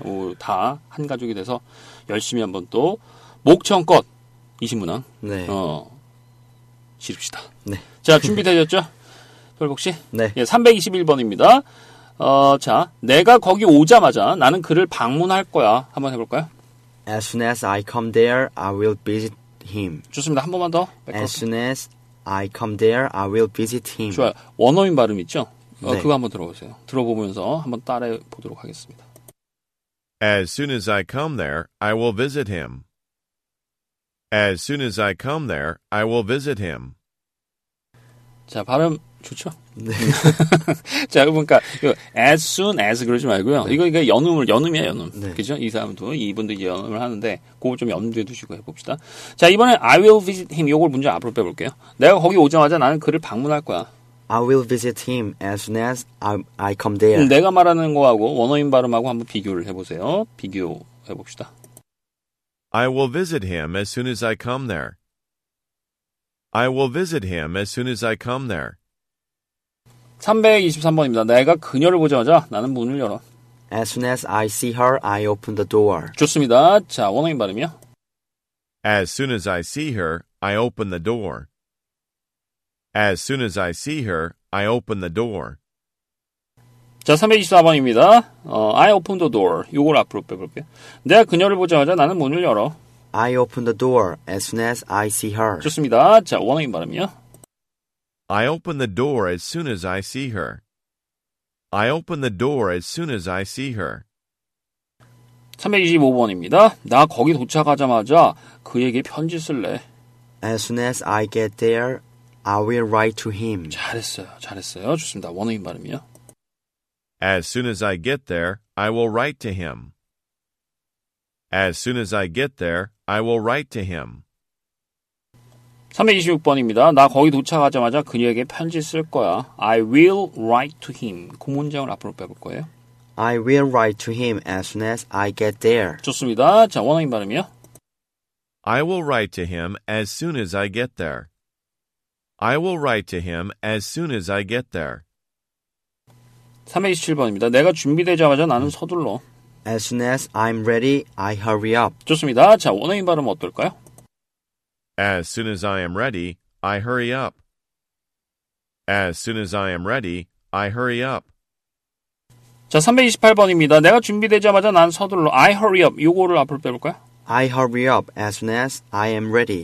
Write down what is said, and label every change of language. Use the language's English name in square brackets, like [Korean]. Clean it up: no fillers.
[Korean] 오, 다 한 가족이 돼서 열심히 한번 또 목청껏 20문항. 네. 지릅시다. 네. 자, 준비되셨죠? 돌복씨? 네. 예, 321번입니다. 자, 내가 거기 오자마자 나는 그를 방문할 거야. 한번 해볼까요? [English] As soon as I come there, I will visit him. [Korean] 좋습니다. 한 번만 더. [English] As soon as I come there, I will visit him. [Korean] 좋아요. 원어민 발음 있죠? 네. 그거 한번 들어보세요. 들어보면서 한번 따라해 보도록 하겠습니다. [English] As soon as I come there, I will visit him. As soon as I come there, I will visit him. [Korean] 자, 발음 좋죠? 네. 자, 그러니까 이거 as soon as 그러지 말고요. 네. 이거 그러니까 연음을 연음이야 연음. 네. 그죠? 이 사람도 이분도 연음을 하는데 그거 좀 염두에 두시고 해봅시다. 자, 이번에 [English] I will visit him. [Korean] 이걸 문제 앞으로 빼볼게요. 내가 거기 오자마자 나는 그를 방문할 거야. [English] I will visit him as soon as I come there. [Korean] 내가 말하는 거하고 원어민 발음하고 한번 비교를 해보세요. 비교해봅시다. [English] I will visit him as soon as I come there. I will visit him as soon as I come there. [Korean] 323번입니다. 내가 그녀를 보자마자 나는 문을 열어. [English] As soon as I see her, I open the door. [Korean] 좋습니다. 자, 원어민 발음이요? [English] As soon as I see her, I open the door. As soon as I see her, I open the door. [Korean] 자, 324번입니다. [English] I open the door. [Korean] 이걸 앞으로 빼볼게요. 내가 그녀를 보자마자 나는 문을 열어. [English] I open the door as soon as I see her. [Korean] 좋습니다. 자, 원어민 발음이요? [English] I open the door as soon as I see her. I open the door as soon as I see her. [Korean] 325번입니다. 나 거기 도착하자마자 그에게 편지 쓸래. [English] As soon as I get there, I will write to him. [Korean] 잘했어요. 잘했어요. 좋습니다. 원어민 발음이요? [English] As soon as I get there, I will write to him. As soon as I get there, I will write to him. [Korean] 326번입니다. 나 거기 도착하자마자 그녀에게 편지 쓸 거야. [English] I will write to him. [Korean] 그 문장을 앞으로 빼볼 거예요. [English] I will write to him as soon as I get there. [Korean] 좋습니다. 자, 원어민 발음이요? [English] I will write to him as soon as I get there. I will write to him as soon as I get there. [Korean] 327번입니다. 내가 준비되자마자 나는 서둘러. [English] As soon as I'm ready, I hurry up. [Korean] 좋습니다. 자, 원어민 발음 어떨까요? [English] As soon as I am ready, I hurry up. As soon as I am ready, I hurry up. [Korean] 자, 328번입니다. 내가 준비되자마자 난 서둘러. [English] I hurry up. [Korean] 요거를 앞으로 빼볼까요? [English] I hurry up as soon as I am ready.